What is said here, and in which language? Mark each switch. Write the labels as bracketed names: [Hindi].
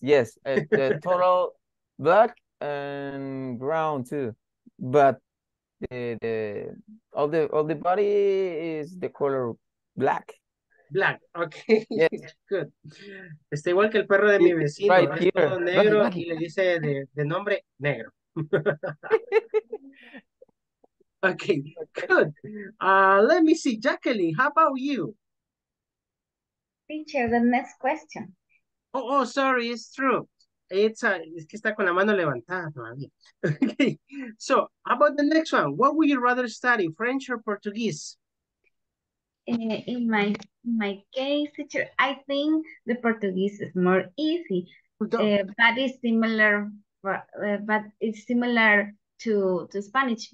[English] The total black and brown too, but the body is the color black. Black, okay, yes. Good. [Spanish] Está igual que el perro de mi vecino, [English] right, [Spanish] es todo negro, y le dice de nombre negro. [English] Okay, good. Let me see, Jacqueline, how about you? Teacher, the next question. Oh, sorry, it's true. [Spanish] Es que está con la mano levantada todavía. [English] Okay. So, how about the next one? What would you rather study, French or Portuguese? In my case, teacher, I think the Portuguese is more easy. But it's similar to Spanish.